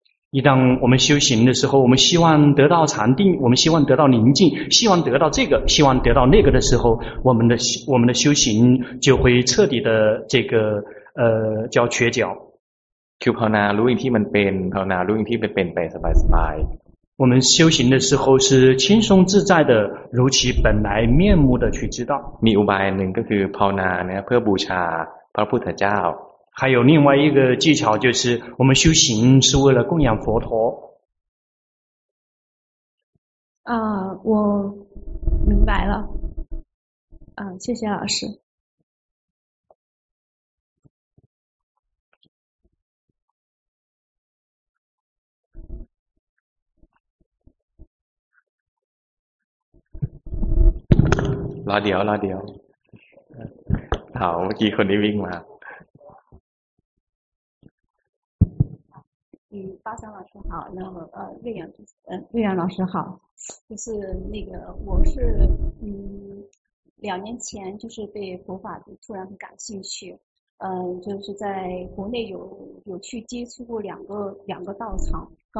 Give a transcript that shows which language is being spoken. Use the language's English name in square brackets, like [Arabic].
[Chinese] 一旦我们修行的时候，我们希望得到禅定，我们希望得到宁静，希望得到这个，希望得到那个的时候，我们的修行就会彻底的这个叫缺角。 [Thai] 就ภาวนา รู้อย่างที่มันเป็น ภาวนา รู้อย่างที่เป็น เป็น ไป สบาย สบาย [Chinese] 我们修行的时候是轻松自在的，如其本来面目的去知道。 [Thai] มีอุบายหนึ่งก็คือภาวนาเนี่ยเพื่อบูชาพระพุทธเจ้า [Chinese] 还有另外一个技巧，就是我们修行是为了供养佛陀。啊，我明白了。啊，谢谢老师。 [Thai] รอเดี๋ยวรอเดี๋ยวถามเมื่อกี้คนนี้วิ่งมา [Chinese] 巴山老师好，那么瑞阳就是瑞阳老师好，就是那个我是两年前就是对佛法就突然很感兴趣，就是在国内有去接触过两个道场。